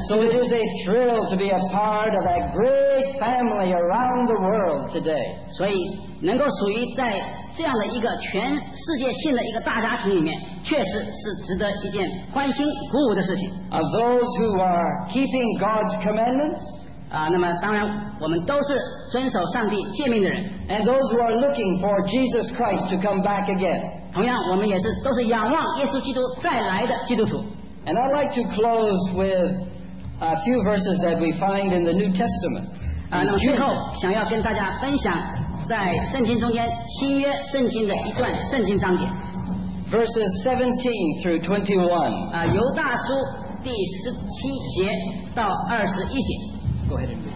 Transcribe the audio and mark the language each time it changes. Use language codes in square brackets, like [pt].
[en] So it is a thrill to be a part of that great family around the world today. [zh] 所以能够属于在这样的一个全世界性的一个大家庭里面，确实是值得一件欢欣鼓舞的事情。 [en] Of those who are keeping God's commandments. [zh] 那么当然我们都是遵守上帝诫命的人。 [en] And those who are looking for Jesus Christ to come back again. [zh] 同样我们也是都是仰望耶稣基督再来的基督徒。 [en] And I'd like to close with a few verses that we find in the New Testament. [zh] 那么最后想要跟大家分享在圣经中间新约圣经的一段圣经章节。 [en] Verses 17 through 21. [zh] 犹大书第17节到21节。